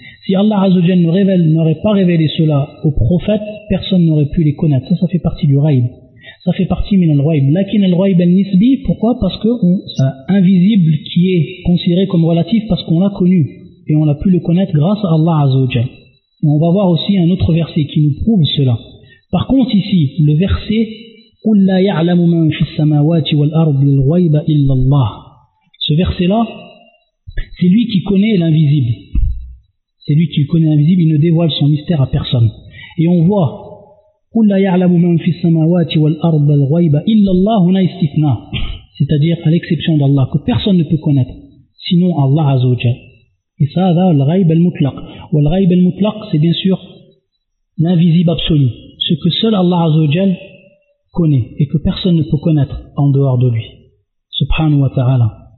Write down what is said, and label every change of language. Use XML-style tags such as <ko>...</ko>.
<fr>Si Allah Azzawajal n'aurait pas révélé cela aux prophètes, personne n'aurait pu les connaître. Ça fait partie du raïb. Ça fait partie min al-raïb.</fr> <ar>Lakin al-raïb al-nisbi,</ar> <fr>pourquoi? Parce que c'est invisible qui est considéré comme relatif parce qu'on l'a connu. Et on a pu le connaître grâce à Allah Azzawajal. Et on va voir aussi un autre verset qui nous prouve cela. Par contre ici, le verset</fr> <ar>قُلْ لَا يَعْلَمُ مَنْ فِي السَّمَاوَاتِ وَالْأَرْضِ الْغَيْبَ إِلَّا اللَّهِ.</ar> <fr>Ce verset-là, c'est lui qui connaît l'invisible. C'est lui qui connaît l'invisible, il ne dévoile son mystère à personne. Et on voit</fr> <ar>قُلْ لَا يَعْلَمُ مَنْ فِي السَّمَاوَاتِ وَالْأَرْضِ الْغَيْبَ إِلَّا اللَّهِ هُنَا إِسْتِفْنَا.</ar> <fr>C'est-à-dire à l'exception d'Allah, que personne ne peut connaître, sinon Allah Azzawajal. Et ça, c'est le ghaïb al-mutlaq. Et le ghaïb al-mutlaq, c'est bien sûr l'invisible absolu. Ce que seul Allah Azzawajal connaît et que personne ne peut connaître en dehors de lui. Subhanahu wa ta'ala.</fr>